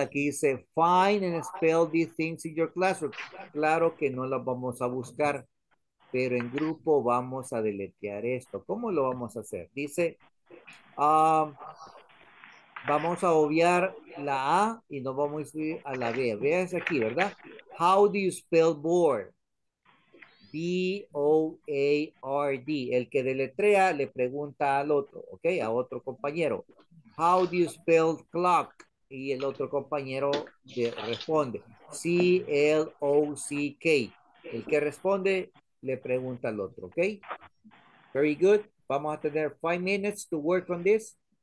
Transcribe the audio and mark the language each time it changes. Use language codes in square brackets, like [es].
[es] Aquí dice, [en] find and spell these things in your classroom. [es] Claro que no las vamos a buscar, pero en grupo vamos a deletrear esto. ¿Cómo lo vamos a hacer? Dice, vamos a obviar la A y nos vamos a ir a la B. Vean aquí, ¿verdad? [en] How do you spell board? B-O-A-R-D. [es] El que deletrea le pregunta al otro, ¿ok? A otro compañero. [en] How do you spell clock? [es] Y el otro compañero responde. C-L-O-C-K. El que responde le pregunta al otro, ¿ok? [en] Very good. [es] Vamos a tener [en] 5 minutes to work on this.